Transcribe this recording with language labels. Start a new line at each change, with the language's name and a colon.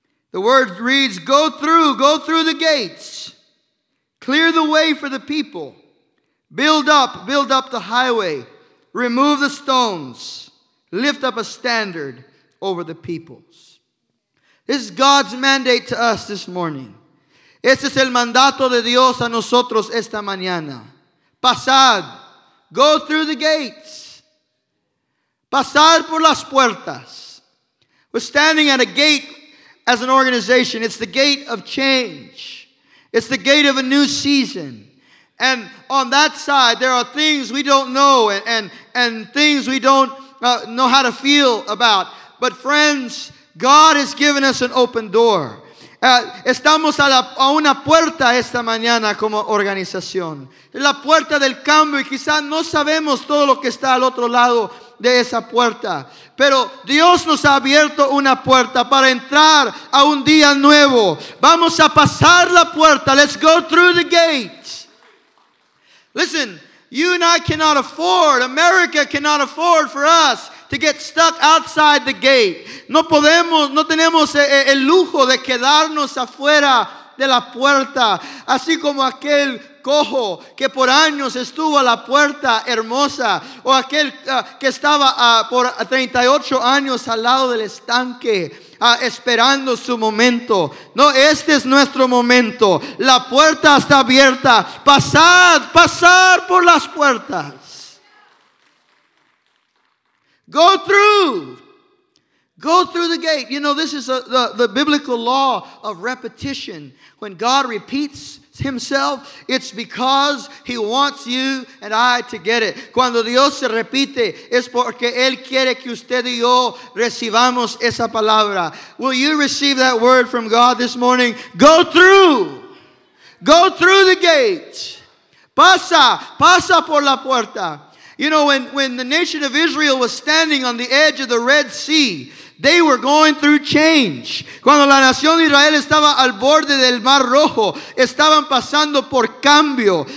English: The word reads, go through the gates, clear the way for the people. Build up the highway. Remove the stones. Lift up a standard over the peoples. This is God's mandate to us this morning.
Spanish: Este es el mandato de Dios a nosotros esta mañana. Pasad.
English: Go through the gates.
Spanish: Pasad por las puertas.
English: We're standing at a gate as an organization. It's the gate of change. It's the gate of a new season. And on that side, there are things we don't know and things we don't know how to feel about. But friends, God has given us an open door.
Spanish: Estamos a una puerta esta mañana como organización. La puerta del cambio, y quizás no sabemos todo lo que está al otro lado de esa puerta. Pero Dios nos ha abierto una puerta para entrar a un día nuevo. Vamos a pasar la puerta.
English: Let's go through the gates. Listen, you and I cannot afford, America cannot afford for us to get stuck outside the gate.
Spanish: No podemos, no tenemos el lujo de quedarnos afuera de la puerta. Así como aquel cojo que por años estuvo a la puerta hermosa. O aquel que estaba por 38 años al lado del estanque. Esperando su momento. No, este es nuestro momento. La puerta está abierta. Pasad por las puertas.
English: Go through the gate. You know, this is the biblical law of repetition. When God repeats himself, it's because he wants you and I to get it.
Spanish: Cuando Dios se repite, es porque él quiere que usted y yo recibamos esa palabra.
English: Will you receive that word from God this morning? Go through the gate.
Spanish: Pasa por la puerta.
English: You know, when the nation of Israel was standing on the edge of the Red Sea, they were going through change.
Spanish: Cuando la nación de Israel estaba al borde del Mar Rojo, estaban pasando por cambio.